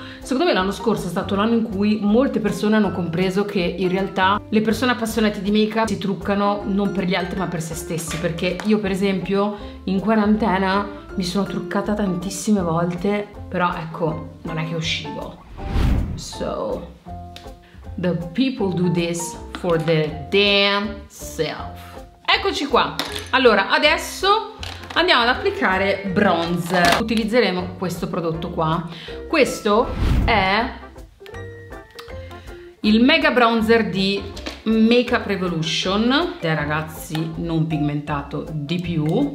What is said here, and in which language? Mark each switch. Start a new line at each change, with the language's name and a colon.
Italian: Secondo me l'anno scorso è stato l'anno in cui molte persone hanno compreso che in realtà le persone appassionate di make-up si truccano non per gli altri ma per se stessi. Perché io, per esempio, in quarantena mi sono truccata tantissime volte, però ecco, non è che uscivo.
English: So, the people do this for their damn self.
Italian: Eccoci qua. Allora, adesso andiamo ad applicare bronzer. Utilizzeremo questo prodotto qua. Questo è il Mega Bronzer di Makeup Revolution, dai ragazzi, non pigmentato di più.